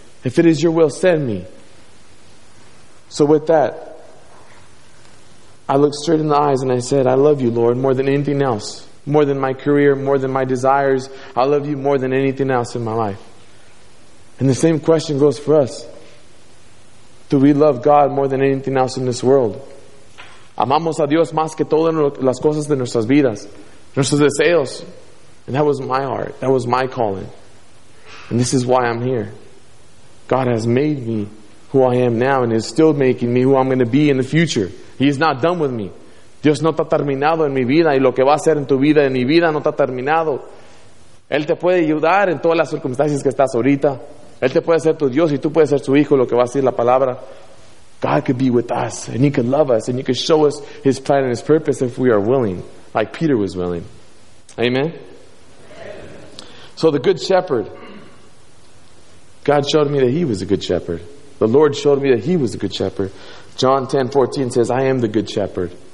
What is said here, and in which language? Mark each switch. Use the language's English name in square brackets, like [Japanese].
[English] If it is your will, send me." So with that, I looked straight in the eyes and I said, "I love you, Lord, more than anything else. more than my career, more than my desires. I love you more than anything else in my life. And the same question goes for us. Do we love God more than anything else in this world? [Spanish] Amamos a Dios más que todas las cosas de nuestras vidas, nuestros deseos. [English] And that was my heart. That was my calling. And this is why I'm here. God has made me who I am now and is still making me who I'm going to be in the future. He is not done with me. [Spanish] Dios no está terminado en mi vida y lo que va a hacer en tu vida, en mi vida, no está terminado. Él te puede ayudar en todas las circunstancias que estás ahorita. Él te puede ser tu Dios y tú puedes ser su hijo, lo que va a decir la palabra. [English] God could be with us and He could love us and He could show us His plan and His purpose if we are willing, like Peter was willing. Amen? So the good shepherd, God showed me that He was a good shepherd. The Lord showed me that He was a good shepherd. John 10:14 says, I am the good shepherd.